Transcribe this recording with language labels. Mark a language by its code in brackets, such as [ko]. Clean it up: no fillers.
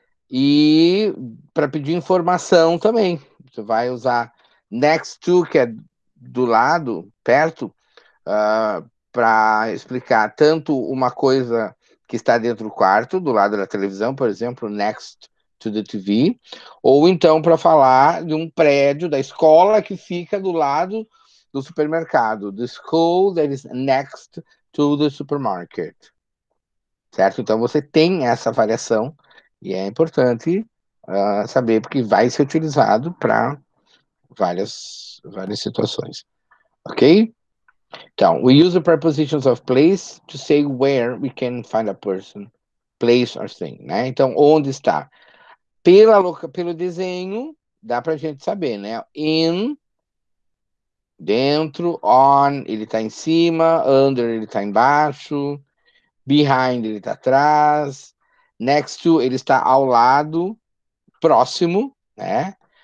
[pt] E para pedir informação também. Você vai usar next to, que é do lado, perto, para explicar tanto uma coisa que está dentro do quarto, do lado da televisão, por exemplo, [en] next to the TV, [pt] ou então para falar de um prédio da escola que fica do lado do supermercado, [en] the school that is next to the supermarket. [pt] Certo? Então você tem essa variação e é importante saber porque vai ser utilizado para várias situações. Ok? [en] Então, we use the prepositions of place to say where we can find a person, place or thing, né? [pt] Então, onde está? Pelo desenho, dá para a gente saber, né? In, dentro, on, ele está em cima, under, ele está embaixo, behind, ele está atrás, next to, ele está ao lado, próximo, né?